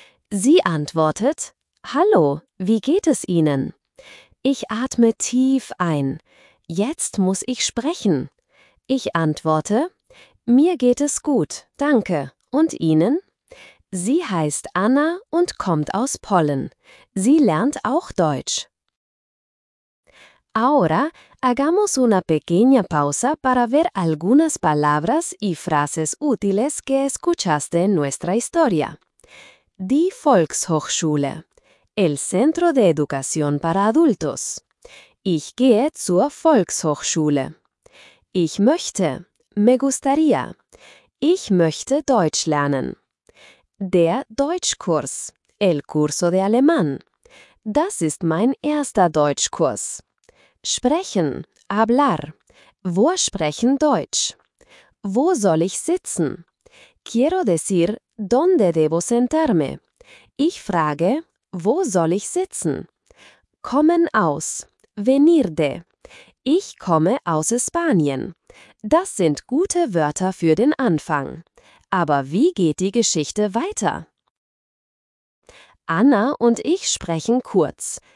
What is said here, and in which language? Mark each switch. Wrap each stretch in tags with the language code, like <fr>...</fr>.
<de>Sie antwortet: Hallo, wie geht es Ihnen? Ich atme tief ein. Jetzt muss ich sprechen. Ich antworte: Mir geht es gut, danke. Und Ihnen? Sie heißt Anna und kommt aus Polen. Sie lernt auch Deutsch.</de> <es>Ahora, hagamos una pequeña pausa para ver algunas palabras y frases útiles que escuchaste en nuestra historia.</es> <de>Die Volkshochschule.</de> <es>El Centro de Educación para Adultos.</es> <de>Ich gehe zur Volkshochschule. Ich möchte.</de> <es>Me gustaría.</es> <de>Ich möchte Deutsch lernen. Der Deutschkurs.</de> <es>El curso de alemán.</es> <de>Das ist mein erster Deutschkurs. Sprechen. Hablar. Wo sprechen Deutsch? Wo soll ich sitzen?</de> <es>Quiero decir, ¿dónde debo sentarme?</es> <de>Ich frage, wo soll ich sitzen? Kommen aus.</de> <es>Venir de.</es> <de>Ich komme aus Spanien. Das sind gute Wörter für den Anfang. Aber wie geht die Geschichte weiter? Anna und ich sprechen kurz.</de>